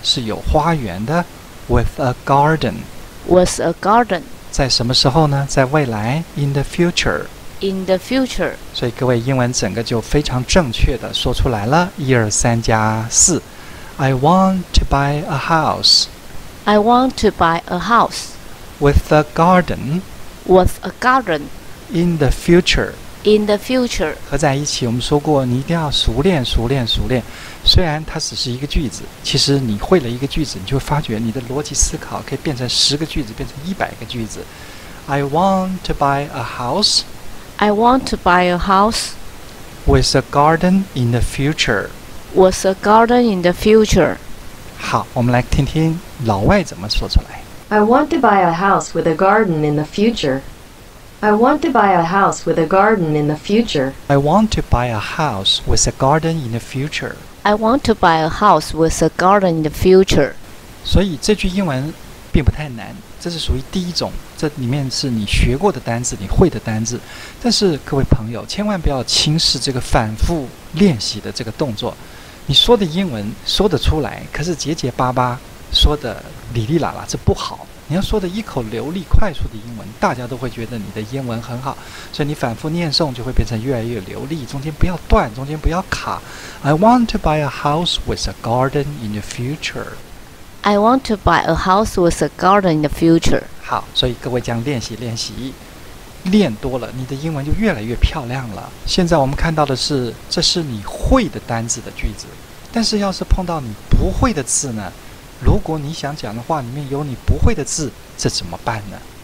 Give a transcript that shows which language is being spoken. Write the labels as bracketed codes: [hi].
[zh] 是有花园的， [en] With a garden. With a garden. [zh] 在什么时候呢？在未来， [en] In the future In the future. [zh] 所以各位英文整个就非常正确的说出来了，一二三加四。 [en] I want to buy a house. I want to buy a house. With a garden. With a garden. In the future. In the future. [zh] 合在一起，我们说过你一定要熟练熟练熟练，虽然它只是一个句子，其实你会了一个句子，你就会发觉你的逻辑思考可以变成十个句子，变成一百个句子。 [en] I want to buy a house. I want to buy a house. With a garden in the future. With a garden in the future. [zh] 好，我们来听听老外怎么说出来。 [en] I want to buy a house with a garden in the future. I want to buy a house with a garden in the future. I want to buy a house with a garden in the future. I want to buy a house with a garden in the future. [zh] 所以这句英文并不太难，这是属于第一种，这里面是你学过的单字，你会的单字。但是各位朋友，千万不要轻视这个反复练习的这个动作。你说的英文说得出来，可是结结巴巴，说的里里啦啦，这不好。你要说的一口流利快速的英文，大家都会觉得你的英文很好，所以你反复念诵就会变成越来越流利，中间不要断，中间不要卡。 [en] I want to buy a house with a garden in the future. I want to buy a house with a garden in the future. [zh] 好，所以各位将练习练习，练多了你的英文就越来越漂亮了。现在我们看到的是，这是你会的单字的句子，但是要是碰到你不会的字呢，如果你想讲的话里面有你不会的字，这怎么办呢？